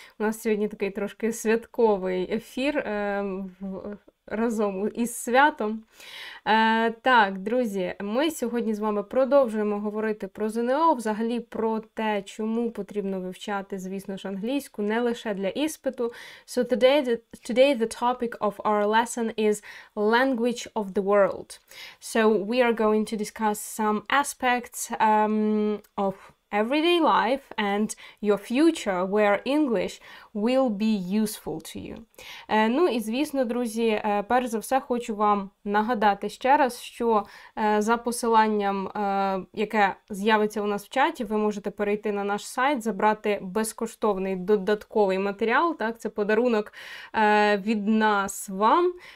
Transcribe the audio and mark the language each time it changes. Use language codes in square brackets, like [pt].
[uk] У нас сьогодні такий трошки святковий ефір разом із святом. Так, друзі, ми сьогодні з вами продовжуємо говорити про ЗНО, взагалі про те, чому потрібно вивчати, звісно ж, англійську, не лише для іспиту. [en] So today the topic of our lesson is language of the world. So we are going to discuss some aspects of everyday life and your future where English will be useful to you. [uk] Ну і звісно, друзі, перш за все хочу вам нагадати ще раз, що за посиланням, яке з'явиться у нас в чаті, ви можете перейти на наш сайт, забрати безкоштовний додатковий матеріал, так, це подарунок від нас вам.